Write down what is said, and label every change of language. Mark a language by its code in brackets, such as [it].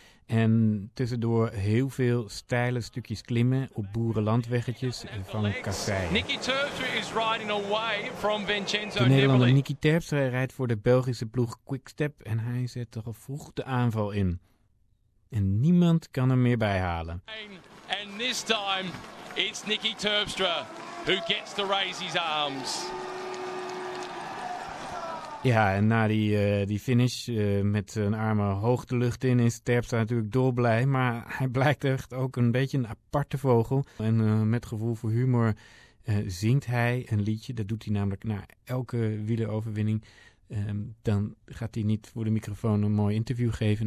[nl] En tussendoor heel veel steile stukjes klimmen op boerenlandweggetjes van kasseien. [en] Nicky Terpstra is riding away from Vincenzo. [nl] De Nederlander Nicky Terpstra rijdt voor de Belgische ploeg Quickstep en hij zet er vroeg de aanval in. En niemand kan hem meer bijhalen. [en] And this time it's Nicky Terpstra who gets to raise his arms. [nl] Ja, en na die finish met zijn armen hoog de lucht in is Terpstra natuurlijk dolblij. Maar hij blijkt echt ook een beetje een aparte vogel. En met gevoel voor humor zingt hij een liedje. Dat doet hij namelijk na elke wieleroverwinning. Dan gaat hij niet voor de microfoon een mooi interview geven.